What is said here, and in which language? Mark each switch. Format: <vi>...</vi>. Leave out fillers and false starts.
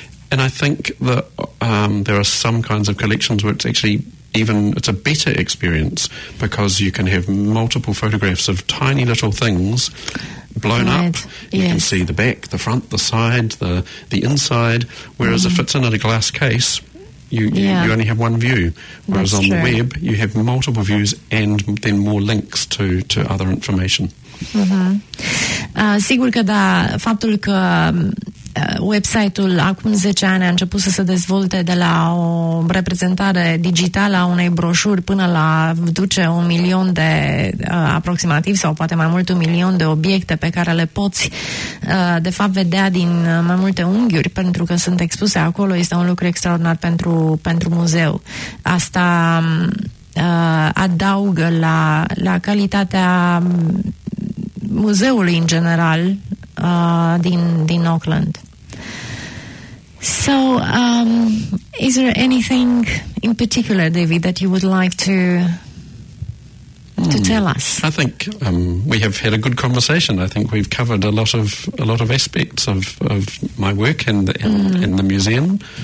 <en>And I think that there are some kinds of collections where it's actually even, it's a better experience because you can have multiple photographs of tiny little things blown right. up. Yes. You can see the back, the front, the side, the inside. Whereas mm-hmm. if it's in a glass case, you only have one view. Whereas That's on true. The web, you have multiple views and then more links to other information. Mm-hmm.</en> <ro>Sigur că da, faptul că website-ul acum 10 ani a început să se dezvolte de la o reprezentare digitală a unei broșuri până la duce un milion de aproximativ sau poate mai mult un milion de obiecte pe care le poți de fapt vedea din mai multe unghiuri pentru că sunt expuse acolo, este un lucru extraordinar pentru muzeu. Asta adaugă la calitatea muzeului în general din Auckland.</ro> <en>So, is there anything in particular, David, that you would like to tell us? I think we have had a good conversation. I think we've covered a lot of aspects of my work in the museum.</en>